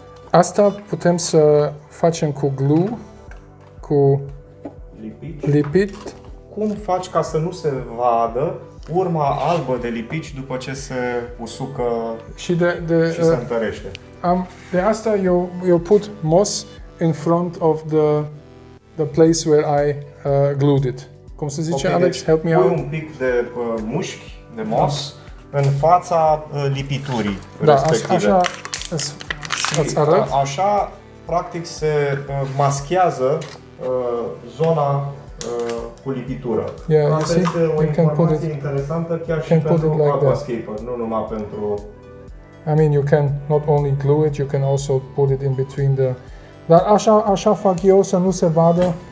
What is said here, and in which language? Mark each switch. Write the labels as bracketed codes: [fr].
[ro] Asta putem să facem cu glue, cu lipit. Cum faci ca să nu se vadă urma albă de lipici după ce se usucă și se întărește? De asta eu [en] put moss in front of the place where I glued it. [ro] Cum se zice, okay, Alex, deci [en] help me [ro] pui [en] out. [ro] Pui un pic de mușchi, de moss, în fața lipiturii respective. Da, așa îți arăt. Așa, practic, se maschează zona cu lipitură. [en] Yeah, [ro] asta este o informație interesantă chiar și pentru aquascaper, nu numai pentru [en] I mean, you can not only glue it, you can also put it in between the... [ro] Dar așa, așa fac eu să nu se vadă.